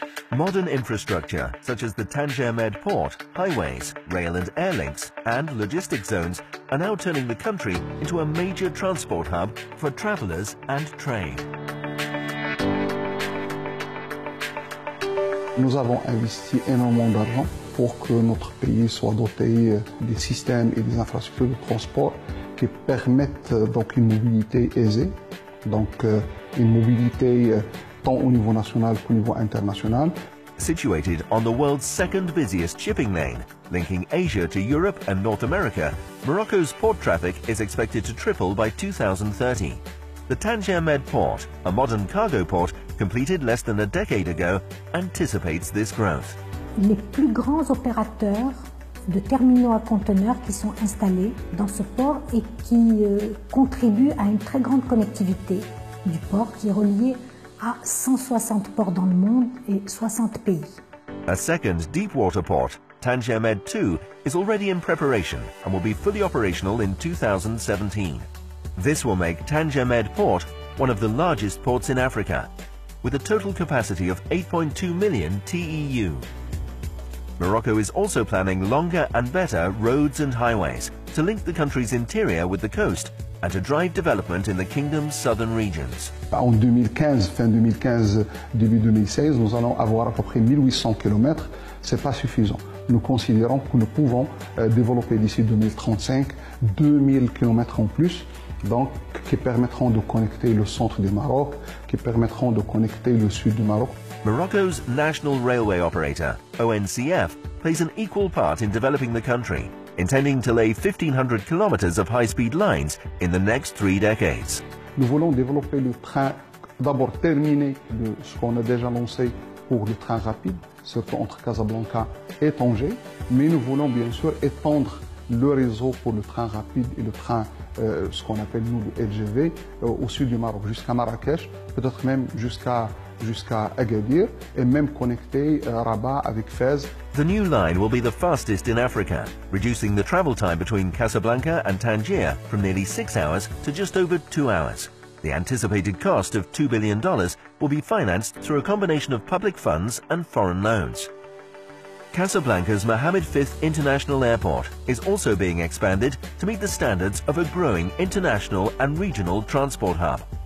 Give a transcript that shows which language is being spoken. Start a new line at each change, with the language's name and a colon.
English: Modern infrastructure, such as the Tangier Med port, highways, rail and air links, and logistics zones, are now turning the country into a major transport hub for travelers and trade.
French: Nous avons investi énormément d'argent pour que notre pays soit doté des systèmes et des infrastructures de transport qui permettent donc une mobilité aisée, donc une mobilité tant au niveau national qu'au niveau international.
English: Situated on the world's second busiest shipping lane, linking Asia to Europe and North America, Morocco's port traffic is expected to triple by 2030. The Tangier Med port, a modern cargo port, completed less than a decade ago, anticipates this growth.
French: Les plus grands opérateurs de terminaux à conteneurs qui sont installés dans ce port et qui contribuent à une très grande connectivité du port qui est relié à 160 ports dans le monde et 60 pays.
English: A second deep water port, Tangier Med 2, is already in preparation and will be fully operational in 2017. This will make Tangier Med port one of the largest ports in Africa, with a total capacity of 8.2 million TEU. Morocco is also planning longer and better roads and highways to link the country's interior with the coast and to drive development in the kingdom's southern regions.
French: En 2015, fin 2015, début 2016, nous allons avoir à peu près 1800 km. C'est pas suffisant. Nous considérons que nous pouvons développer d'ici 2035 2000 km en plus, donc qui permettront de connecter le centre du Maroc, qui permettront de connecter le sud du Maroc.
English: Morocco's national railway operator, ONCF, plays an equal part in developing the country, intending to lay 1500 kilometers of high-speed lines in the next three decades.
French: Nous voulons développer le train, d'abord terminer ce qu'on a déjà lancé pour le train rapide, surtout entre Casablanca et Tanger, mais nous voulons bien sûr étendre le réseau pour le train rapide et le train, ce qu'on appelle nous le LGV, au sud du Maroc, jusqu'à Marrakech, peut-être même jusqu'à Agadir, et même connecter Rabat avec Fès.
English: The new line will be the fastest in Africa, reducing the travel time between Casablanca and Tangier from nearly 6 hours to just over 2 hours. The anticipated cost of $2 billion will be financed through a combination of public funds and foreign loans. Casablanca's Mohammed V International Airport is also being expanded to meet the standards of a growing international and regional transport hub.